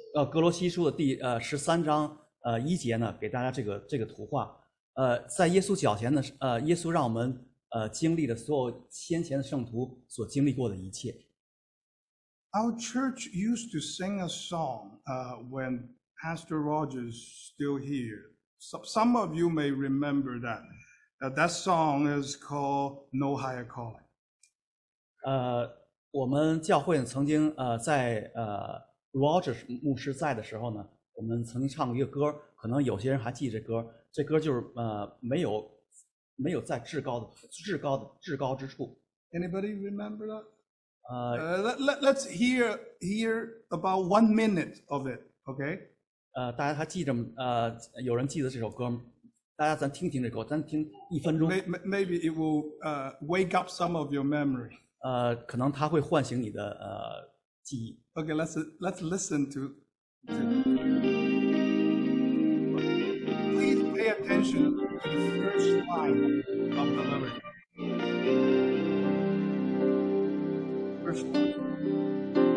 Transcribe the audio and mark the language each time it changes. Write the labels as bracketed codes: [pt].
[zh] 格罗西书的13章一节呢，给大家这个图画，在耶稣脚前呢，耶稣让我们经历的所有先前的圣徒所经历过的一切。 [en] Our church used to sing a song, when Pastor Rogers still here. Some of you may remember that. That song is called No Higher Calling. [zh] 我们教会曾经在Roger 牧师在的时候呢，我们曾经唱过一个歌，可能有些人还记这歌。这歌就是没有在至高之处。 [en] Anybody remember that? Let's hear about 1 minute of it, okay? [zh] 大家还记着有人记得这首歌吗？大家咱听听这歌，咱听一分钟。 [en] Maybe it will wake up some of your memory. [zh] 可能它会唤醒你的记忆。 [en] Okay, let's listen to. Please pay attention to the first line of the lyric. First line.